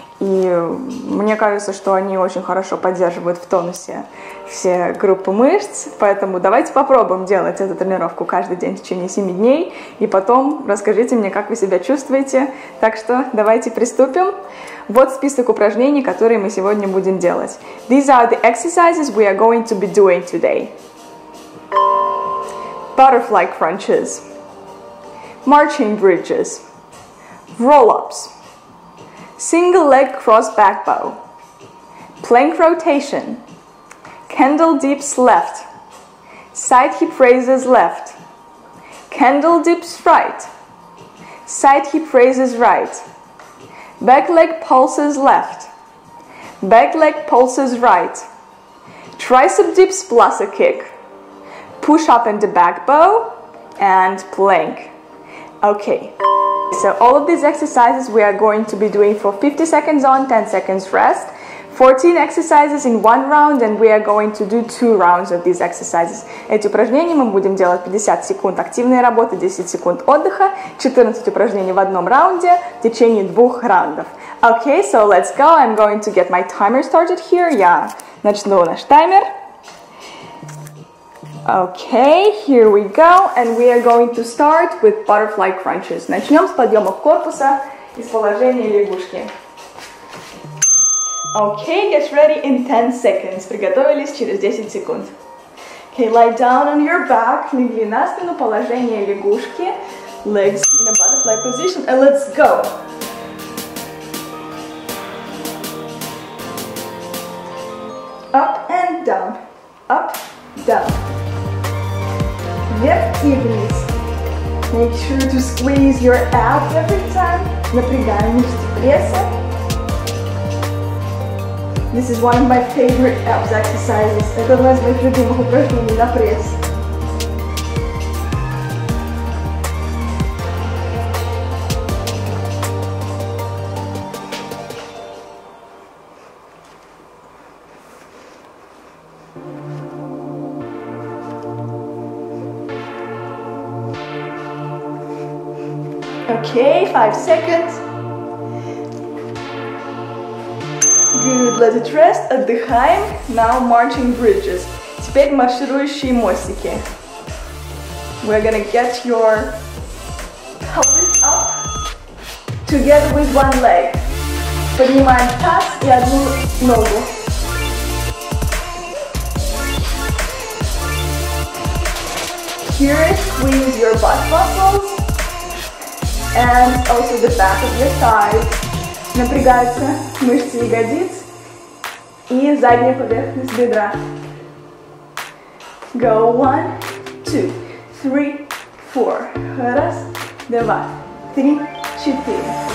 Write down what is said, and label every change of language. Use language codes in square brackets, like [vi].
[ru] И мне кажется, что они очень хорошо поддерживают в тонусе все группы мышц. Поэтому давайте попробуем делать эту тренировку каждый день в течение 7 дней. И потом расскажите мне, как вы себя чувствуете. Так что давайте приступим. Вот список упражнений, которые мы сегодня будем делать. [en] These are the exercises we are going to be doing today. Butterfly crunches. Marching bridges. Roll-ups. Single leg cross back bow. Plank rotation. Candle dips left. Side hip raises left. Candle dips right. Side hip raises right. Back leg pulses left. Back leg pulses right. Tricep dips plus a kick. Push up and the back bow. And plank. Okay. So all of these exercises we are going to be doing for 50 seconds on, 10 seconds rest. 14 exercises in one round, and we are going to do 2 rounds of these exercises. [ru] Эти упражнения мы будем делать 50 секунд активной работы, 10 секунд отдыха, 14 упражнений в одном раунде в течение 2 раундов. [en] Okay, so let's go. I'm going to get my timer started here. [ru] Я начну наш таймер. [en] Okay, here we go, and we are going to start with butterfly crunches. [ru] Начнем с подъема корпуса из положения лягушки. [en] Okay, get ready in 10 seconds. [ru] Приготовились через 10 секунд. [en] Okay, lie down on your back. [ru] Легли на спину, положение лягушки. [en] Legs in a butterfly position, and let's go. Up and down. Up, down. [ru] Вверх и вниз. [en] Make sure to squeeze your abs every time. [ru] Напрягаем мышцы пресса. [en] This is one of my favorite abs exercises. [ru] Это одно из моих любимых упражнений на пресс. [en] Okay, 5 seconds. Good, let it rest. [ru] Отдыхаем. [en] Now marching bridges. [ru] Теперь марширующие мостики. [en] We're gonna get your pelvis up together with one leg. [ru] Поднимаем таз и одну ногу. [en] Here it squeeze your butt muscles and also the back of your thighs. [ru] Напрягаются мышцы ягодиц и задняя поверхность бедра. [en] Go one, two, three, four. [ru] Раз, два, три, четыре.